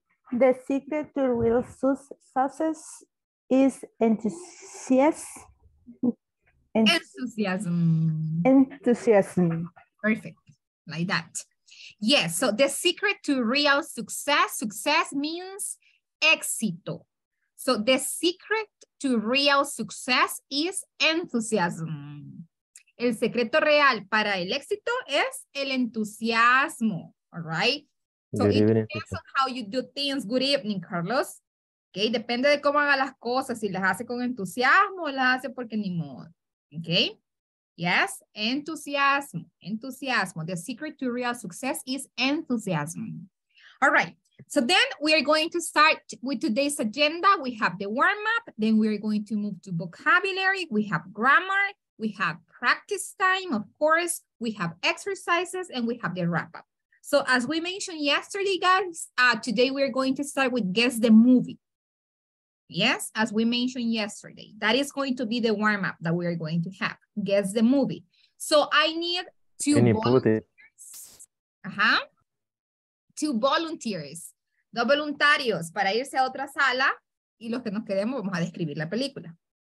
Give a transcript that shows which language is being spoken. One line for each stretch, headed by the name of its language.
English: The secret to real success is enthusiasm. Enthusiasm. Perfect, like that. Yes, so the secret to real success means éxito. So the secret to real success is enthusiasm.
Spanish: El secreto real para el éxito es el entusiasmo,
English: all right? So it depends on how you do things. Good evening, Carlos.
Spanish: Okay, depende de cómo haga las cosas, si las hace con entusiasmo o las hace porque ni modo.
English: Okay, yes, enthusiasmo. The secret to real success is enthusiasm. All right. So then we are going to start with today's agenda. We have the warm-up, then we are going to move to vocabulary. We have grammar, we have practice time, of course, we have exercises, and we have the wrap-up. So as we mentioned yesterday, guys, today we are going to start with guess the movie. Yes, as we mentioned yesterday, that is going to be the warm-up that we are going to have, guess the movie. So I need two volunteers. Uh-huh. Two volunteers,
Spanish: dos voluntarios para irse a otra sala y los que nos quedemos vamos a describir la película.